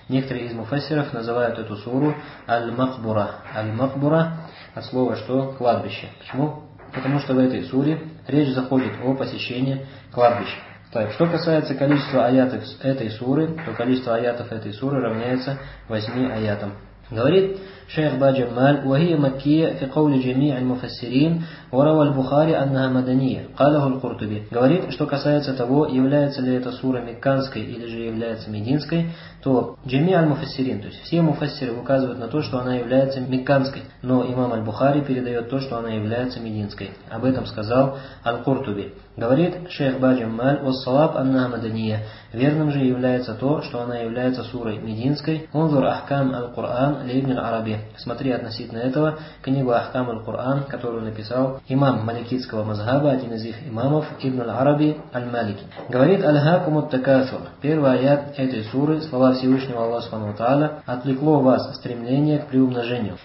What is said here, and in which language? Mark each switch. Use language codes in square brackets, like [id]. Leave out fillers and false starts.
[ru] Некоторые из муфассиров называют эту суру «Аль-Махбура». «Аль-Махбура» от слова что? «Кладбище». Почему? Потому что в этой суре речь заходит о посещении кладбища. Так, что касается количества аятов этой суры, то количество аятов этой суры равняется 8 аятам. Говорит шейх Баджамаль, [ar] وهي مكية في قول جميع المفسرين وروى البخاري أنها مدنية. قاله القرطبي. [ru] Говорит, что касается того, является ли эта сура мекканской или же является мединской, то [ar] جميع المفسرين, [ru] то есть все муфассиры указывают на то, что она является мекканской, но имам аль-Бухари передает то, что она является мединской. Об этом сказал аль-Куртуби. Говорит шейх Баджамаль, [ar] والصواب أنها مدنية. [ru] Верным же является то, что она является сурой мединской. [ar] انظر أحكام القرآن لابن العربي. [ru] Смотри относительно этого книгу Ахкам аль-Куран, которую написал имам маликитского мазхаба, один из их имамов, Ибн аль-Араби аль-Малики. Говорит «Аль-Хакум ат-такасур». Первый аят этой суры, слова Всевышнего Аллаха Субхану Та'аля, «отвлекло вас стремление к приумножению».